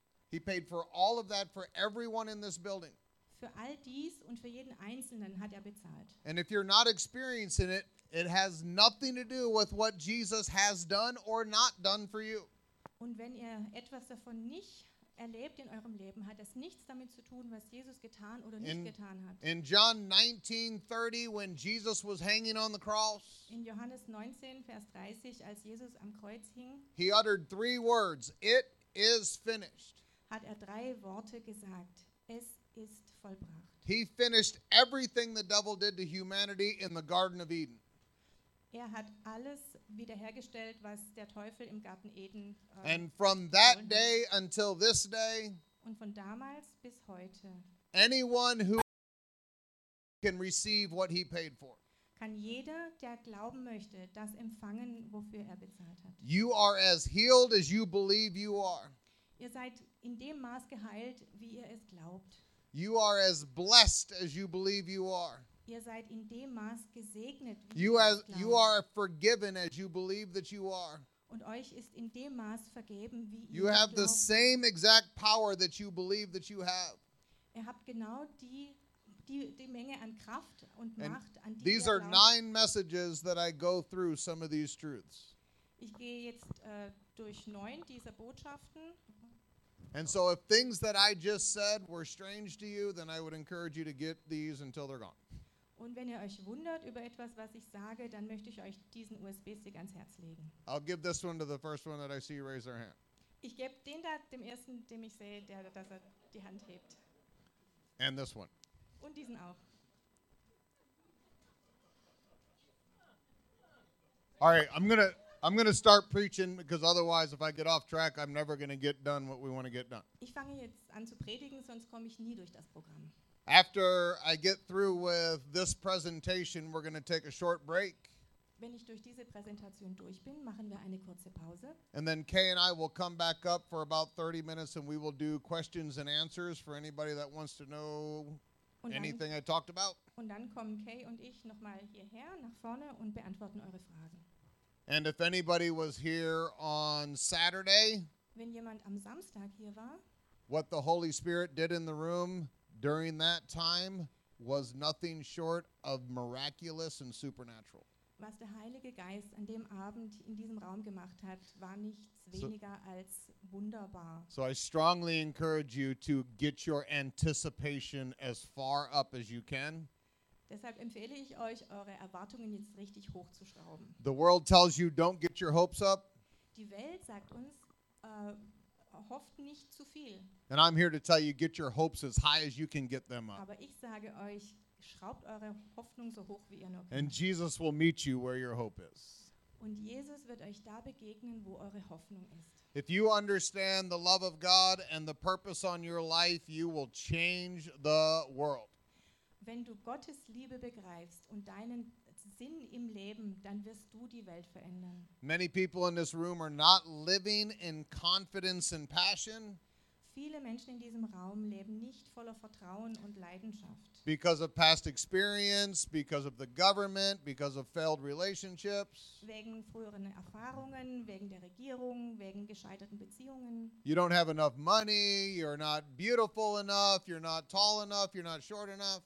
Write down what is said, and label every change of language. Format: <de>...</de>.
<en>He paid for all of that for everyone in this building.</en> <de>Für all dies und für jeden Einzelnen hat er bezahlt.</de> <en>And if you're not experiencing it, it has nothing to do with what Jesus has done or not done for you.</en> <de>Und wenn ihr etwas davon nicht erlebt in eurem Leben, hat das nichts damit zu tun, was Jesus getan oder nicht getan hat.</de> <en>In John 19:30, when Jesus was hanging on the cross,</en> <de>in Johannes 19, Vers 30, als Jesus am Kreuz hing,</de> <en>he uttered 3 words, it is finished.</en> <de>Hat er 3 Worte gesagt, es ist vollbracht.</de> <en>He finished everything the devil did to humanity in the Garden of Eden.</en> <de>Er hat alles wiederhergestellt, was der Teufel im Garten Eden</de> <en>and from that day until this day,</en> <de>und von damals bis heute,</de> <en>Anyone who can receive what he paid for.</en> <de>Kann jeder, der glauben möchte, das empfangen, wofür er bezahlt hat.</de> <en>You are as healed as you believe you are.</en> <de>Ihr seid in dem Maß geheilt, wie ihr es glaubt.</de> <en>You are as blessed as you believe you are.</en> <de>Ihr seid in dem Maß gesegnet, wie</de> <en>you</en> <de>ihr es glaubt.</de> <en>You are forgiven as you believe that you are.</en> <de>Und euch ist in dem Maß vergeben, wie</de> <en>you</en> <de>ihr glaubt.</de> <en>You have the same exact power that you believe that you have.</en> <de>Ihr habt genau die Menge an Kraft und Macht,</de> <en>and</en> <de>an die ihr glaubt.</de> <en>These are 9 messages that I go through some of these truths.</en> <de>Ich gehe jetzt durch 9 dieser Botschaften.</de> <en>And so if things that I just said were strange to you, then I would encourage you to get these until they're gone.</en> <de>Und wenn ihr euch wundert über etwas, was ich sage, dann möchte ich euch diesen USB-Stick ans Herz legen.</de> <en>I'll give this one to the first one that I see raise their hand.</en> <de>Ich gebe den da dem ersten, dem ich sehe, der dass er die Hand hebt.</de> <en>And this one.</en> <de>Und diesen auch.</de> <en>All right, I'm gonna start preaching because otherwise, if I get off track, I'm never gonna get done what we want to get done.</en> <de>Ich fange jetzt an zu predigen, sonst komme ich nie durch das Programm.</de> <en>After I get through with this presentation, we're gonna take a short break.</en> <de>Wenn ich durch diese Präsentation durch bin, machen wir eine kurze Pause.</de> <en>And then Kay and I will come back up for about 30 minutes, and we will do questions and answers for anybody that wants to know anything I talked about.</en> <de>Und dann kommen Kay und ich nochmal hierher nach vorne und beantworten eure Fragen.</de> <en>And if anybody was here on Saturday,</en> <de>wenn jemand am Samstag hier war,</de> <en>what the Holy Spirit did in the room during that time was nothing short of miraculous and supernatural.</en> <de>Was der Heilige Geist an dem Abend in diesem Raum gemacht hat, war nichts weniger als wunderbar.</de> <en>So I strongly encourage you to get your anticipation as far up as you can.</en> <de>Deshalb empfehle ich euch, eure Erwartungen jetzt richtig hochzuschrauben.</de> <en>The world tells you, don't get your hopes up.</en> <de>Die Welt sagt uns, hofft nicht zu viel.</de> <en>And I'm here to tell you, get your hopes as high as you can get them up.</en> <de>Aber ich sage euch, schraubt eure Hoffnung so hoch, wie ihr nur könnt.</de> <en>And Jesus will meet you where your hope is.</en> <de>Und Jesus wird euch da begegnen, wo eure Hoffnung ist.</de> <en>If you understand the love of God and the purpose on your life, you will change the world.</en> <de>Wenn du Gottes Liebe begreifst und deinen Sinn im Leben, dann wirst du die Welt verändern.</de> <en>Many people in this room are not living in confidence and passion.</en> <de>Viele Menschen in diesem Raum leben nicht voller Vertrauen und Leidenschaft.</de> <en>Because of past experience, because of the government, because of failed relationships.</en> <de>Wegen früheren Erfahrungen, wegen der Regierung, wegen gescheiterten Beziehungen.</de> <en>You don't have enough money, you're not beautiful enough, you're not tall enough, you're not short enough.</en>